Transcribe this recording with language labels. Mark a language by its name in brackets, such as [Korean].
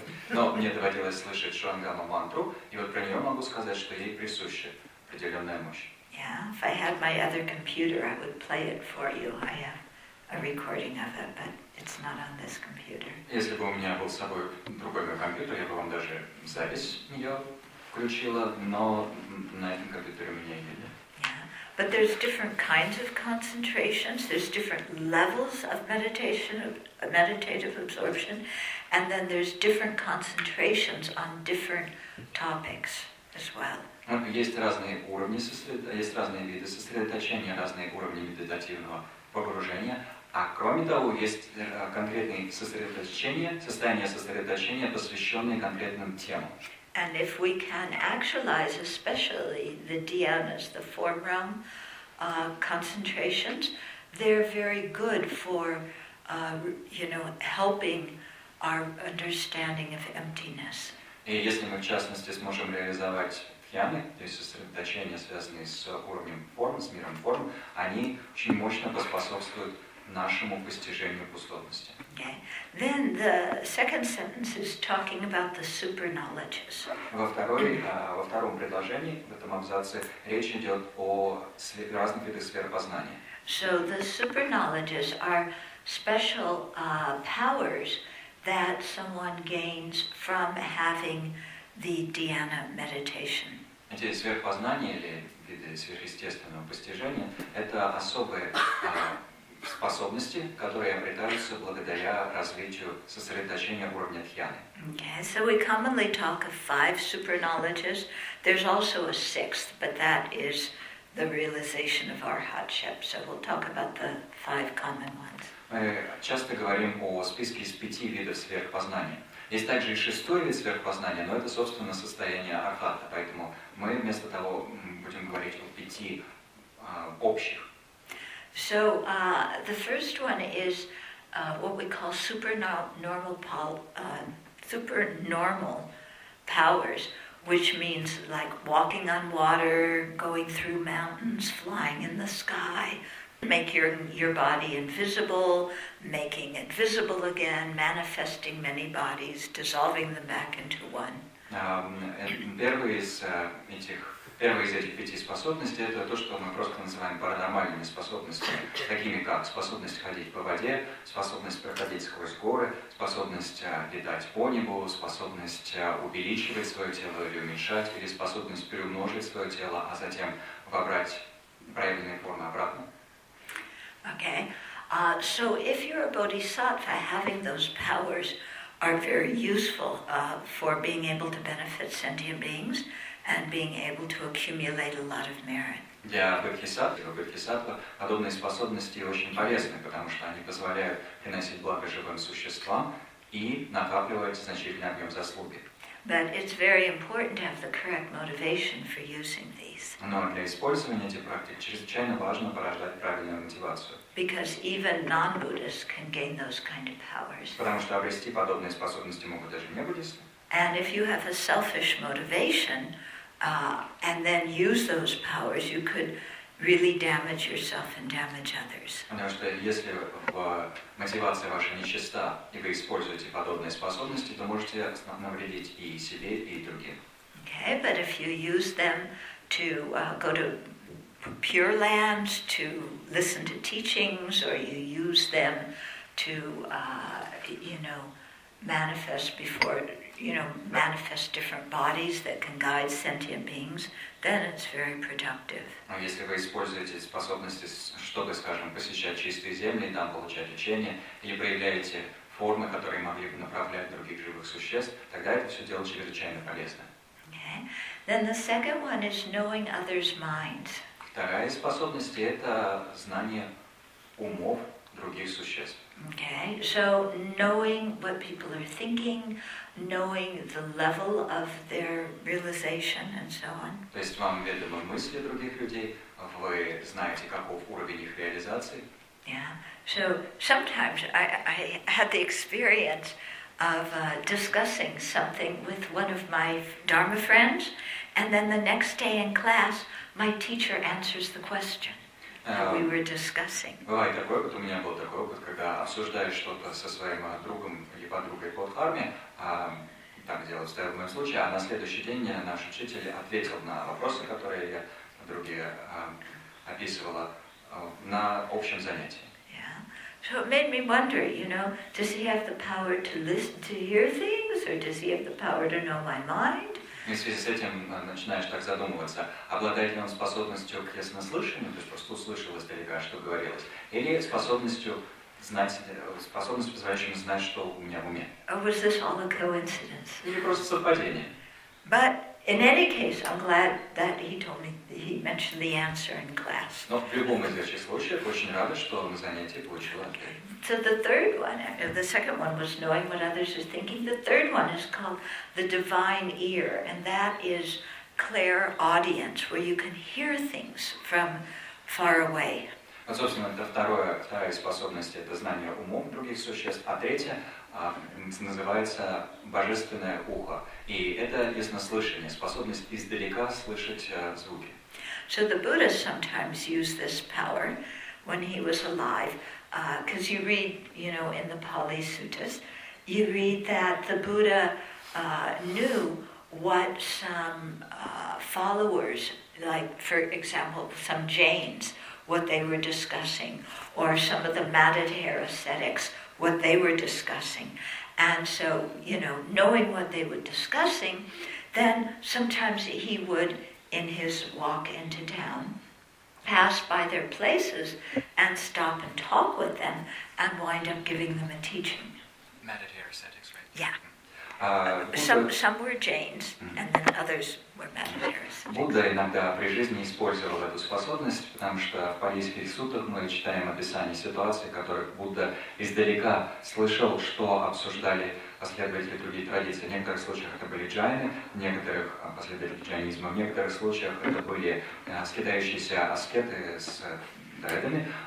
[Russian] Но мне доводилось слышать Шурангама мантру, и вот про нее могу сказать, что ей присуща определенная мощь. [English] Yeah, if I had my other computer, I would play it for you. I have a recording of it, but it's not on this computer. [Russian] Если бы у меня был с собой другой мой компьютер, я бы вам даже запись ее включила, но на этом компьютере у меня ее нет. [English] But there's different kinds of concentrations, there's different levels of meditation, meditative absorption, and then there's different concentrations on different topics as well. [Russian] Есть разные уровни есть разные виды сосредоточения, разные уровни медитативного погружения, а кроме того, есть конкретные сосредоточения, состояния сосредоточения, посвященные конкретным темам. [English] And if we can actualize, especially the dhyanas, the form realm concentrations, they're very good for, you know, helping our understanding of emptiness. [Russian] И если мы в частности сможем реализовать дхьяны, то есть сосредоточения, связанные с уровнем форм, с миром форм, они очень мощно поспособствуют нашему постижению пустотности. [English] Okay. Then the second sentence is talking about the super knowledges. [Russian] Во втором предложении, в этом абзаце, речь идет о разных видах сверхпознания. [English] So the super knowledges are special powers that someone gains from having the dhyana meditation. [Russian] Эти сверхпознания или виды сверхъестественного постижения — это особые способности, которые обретаются благодаря развитию сосредоточения уровня дхьяны. [English] Okay, so we commonly talk of five super knowledges. There's also a sixth, but that is the realization of arhatship. So we'll talk about the five common ones. [Russian] Мы часто говорим о списке из пяти видов сверхпознания. Есть также и шестой вид сверхпознания, но это, собственно, состояние архата. Поэтому мы вместо того будем говорить о пяти общих. [English] So the first one is what we call supernormal powers, which means like walking on water, going through mountains, flying in the sky, make your body invisible, making it visible again, manifesting many bodies, dissolving them back into one. [Russian] Первая из этих пяти способностей — это то, что мы просто называем паранормальными способностями, такими как способность ходить по воде, способность проходить сквозь горы, способность летать по небу, способность увеличивать свое тело или уменьшать, или способность приумножить свое тело, а затем вобрать правильные формы обратно. [English] Okay. So if you're a bodhisattva, having those powers are very useful for being able to benefit sentient beings and being able to accumulate a lot of merit. [Russian] Для бодхисаттвы подобные способности очень полезны, потому что они позволяют приносить благо живым существам и накапливать значительный объем заслуги. [English] But it's very important to have the correct motivation for using these. [Russian] Но для использования этих практик чрезвычайно важно порождать правильную мотивацию. [English] Because even non-Buddhists can gain those kind of powers. [Russian] Потому что обрести подобные способности могут даже не-буддисты. [English] And if you have a selfish motivation, and then use those powers, you could really damage yourself and damage others. [Russian] Потому что если мотивация ваша нечиста, и вы используете подобные способности, то можете навредить и себе, и другим. [English] Okay, but if you use them to go to pure land, to listen to teachings, or you use them to, you know, manifest before, you know, manifest different bodies that can guide sentient beings, then it's very productive. [Russian] Но если вы используете способности, чтобы, скажем, посещать чистые земли, там получать учения, или проявляете формы, которые могли бы направлять других живых существ, тогда это все дело чрезвычайно полезно. [English] Okay. Then the second one is knowing others' minds. [Russian] Вторая способность – это знание умов других существ. [English] Okay, so knowing what people are thinking, knowing the level of their realization, and so on. [Russian] То есть вам ведомы мысли других людей, вы знаете, каков уровень их реализации. [English] Yeah, so sometimes I had the experience of discussing something with one of my Dharma friends, and then the next day in class, my teacher answers the question. We were discussing. [Russian] Бывает такой опыт, у меня был такой опыт, когда обсуждаешь что-то со своим другом или подругой по дхарме, так делается в моем случае, а на следующий день наш учитель ответил на вопросы, которые я другие описывала на общем занятии. [English] So it made me wonder, you know, does he have the power to listen, to hear things, or does he have the power to know my mind? [Russian] И в связи с этим начинаешь так задумываться, обладает ли он способностью к яснослышанию, то есть просто услышал издалека, что говорилось, или способностью знать, способностью, позволяющей знать, что у меня в уме. [English] Or was this all a coincidence? [Russian] Или просто совпадение. [English] But in any case, I'm glad that he told me, he mentioned the answer in class. [Russian] Но в любом из этих случаев очень рада, что на занятии получила ответ. [English] So the third one, the second one was knowing what others are thinking. The third one is called the divine ear, and that is clairaudience, where you can hear things from far away. [Russian] Вот, собственно, это второе, вторая способность, это знание умом других существ, а третья называется божественное ухо. И это яснослышание, способность издалека слышать звуки. [English] So the Buddha sometimes used this power when he was alive, because you read, you know, in the Pali Suttas, you read that the Buddha knew what some followers, like, for example, some Jains, what they were discussing, or some of the Matadhara ascetics, what they were discussing. And so, you know, knowing what they were discussing, then sometimes he would, in his walk into town, pass by their places and stop and talk with them and wind up giving them a teaching. Matadhara ascetics, right? Yeah. Some were Jains, and then others were Matadhara ascetics. [Russian] Будда иногда при жизни использовал эту способность, потому что в палийских суттах мы читаем описание ситуации, в которых Будда издалека слышал, что обсуждали последователи других традиций. В некоторых случаях это были джайны, в некоторых последователи джайнизма, в некоторых случаях это были скитающиеся аскеты с дредами.